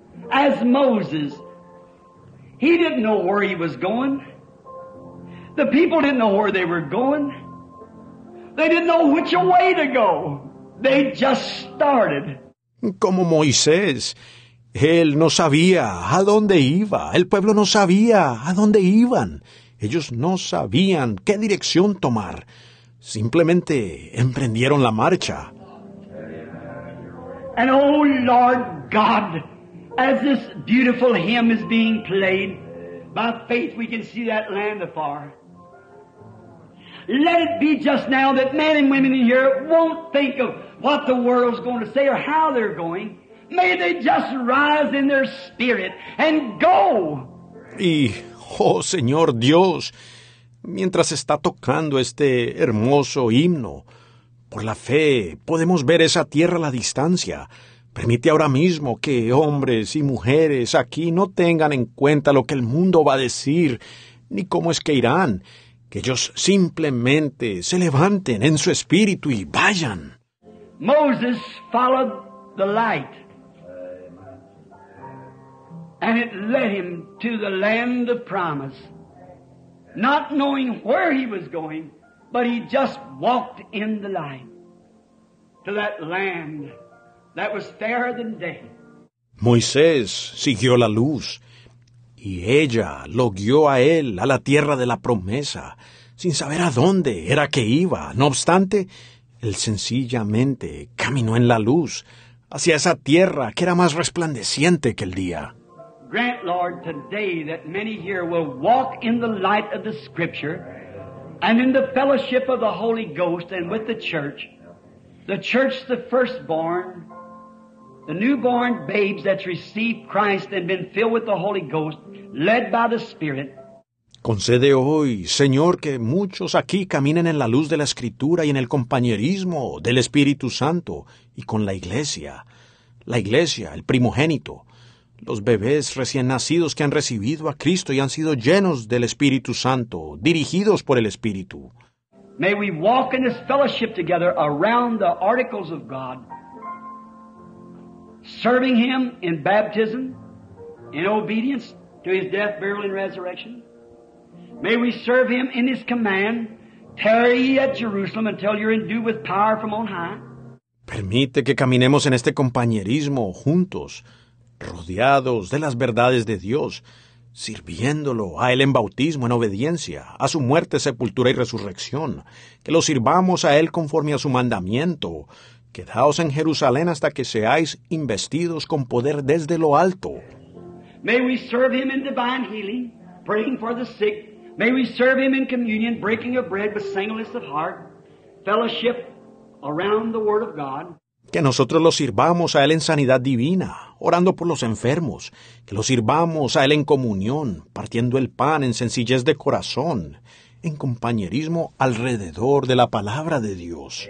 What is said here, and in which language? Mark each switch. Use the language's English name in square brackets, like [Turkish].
[English] As Moses, he didn't know where he was going. The people didn't know where they were going. They didn't know which way to go. They just started. [Spanish] Como Moisés, él no sabía a dónde iba. El pueblo no sabía a dónde iban. Ellos no sabían qué dirección tomar. Simplemente emprendieron la marcha. [English] Amen. And oh Lord God, as this beautiful hymn is being played, by faith we can see that land afar. Let it be just now that men and women in here won't think of what the world's going to say or how they're going. May they just rise in their spirit and go. [Spanish] Y, oh Señor Dios, mientras está tocando este hermoso himno, por la fe podemos ver esa tierra a la distancia. Permite ahora mismo que hombres y mujeres aquí no tengan en cuenta lo que el mundo va a decir, ni cómo es que irán. Que ellos simplemente se levanten en su espíritu y vayan. [English] Moses followed the light, and it led him to the land of promise, not knowing where he was going, but he just walked in the light to that land that was fairer than day. [Spanish] Moisés siguió la luz, y ella lo guió a él a la tierra de la promesa, sin saber a dónde era que iba. No obstante, él sencillamente caminó en la luz hacia esa tierra que era más resplandeciente que el día. [English] Grant, Lord, today that many here will walk in the light of the Scripture and in the fellowship of the Holy Ghost and with the church the firstborn, the newborn babes that received Christ and been filled with the Holy Ghost, led by the Spirit. [Spanish] Concede hoy, Señor, que muchos aquí caminen en la luz de la Escritura y en el compañerismo del Espíritu Santo y con la Iglesia. La Iglesia, el primogénito, los bebés recién nacidos que han recibido a Cristo y han sido llenos del Espíritu Santo, dirigidos por el Espíritu. [English] May we walk in this fellowship together around the articles of God, serving Him in baptism, in obedience to His death, burial, and resurrection. May we serve Him in His command, tarry ye at Jerusalem until you're endued with power from on high. [Spanish] Permite que caminemos en este compañerismo juntos, rodeados de las verdades de Dios, sirviéndolo a Él en bautismo, en obediencia, a su muerte, sepultura y resurrección, que lo sirvamos a Él conforme a su mandamiento. Quedaos en Jerusalén hasta que seáis investidos con poder desde lo alto. [English] May we serve Him in divine healing, praying for the sick. May we serve Him in communion, breaking of bread with singleness of heart, fellowship around the Word of God. [Spanish] Que nosotros lo sirvamos a Él en sanidad divina, orando por los enfermos. Que lo sirvamos a Él en comunión, partiendo el pan en sencillez de corazón, en compañerismo alrededor de la palabra de Dios.